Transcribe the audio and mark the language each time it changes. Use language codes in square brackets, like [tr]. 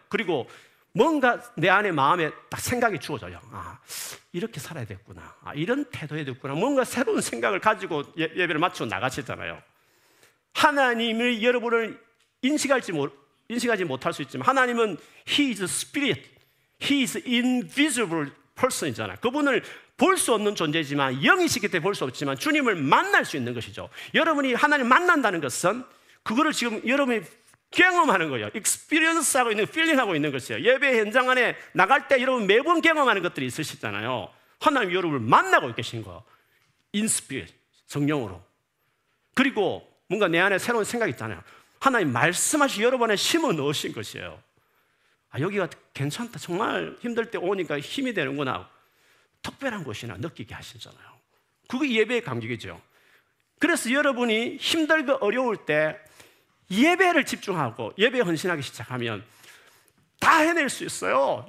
[ko] 그리고 뭔가 내 안에 마음에 딱 생각이 주어져요. 아, 이렇게 살아야 됐구나. 아, 이런 태도에 됐구나. 뭔가 새로운 생각을 가지고 예배를 마치고 나가시잖아요. 하나님을 여러분을 인식하지 못할 수 있지만 하나님은 [en] He is spirit. He is invisible person이잖아요. [ko] 그분을 볼 수 없는 존재지만 영이시기 때문에 볼 수 없지만 주님을 만날 수 있는 것이죠. 여러분이 하나님 만난다는 것은 그거를 지금 여러분이 경험하는 거예요. experience하고 있는, feeling하고 있는 것이에요. 예배 현장 안에 나갈 때 여러분 매번 경험하는 것들이 있으시잖아요. 하나님 여러분을 만나고 계신 거예요. [en] In spirit, [ko] 성령으로. 그리고 뭔가 내 안에 새로운 생각이 있잖아요. 하나님 말씀하시고 여러분의 심어 넣으신 것이에요. 아, 여기가 괜찮다. 정말 힘들 때 오니까 힘이 되는구나. 특별한 곳이나 느끼게 하시잖아요. 그게 예배의 감격이죠. 그래서 여러분이 힘들고 어려울 때 예배를 집중하고 예배에 헌신하기 시작하면 다 해낼 수 있어요.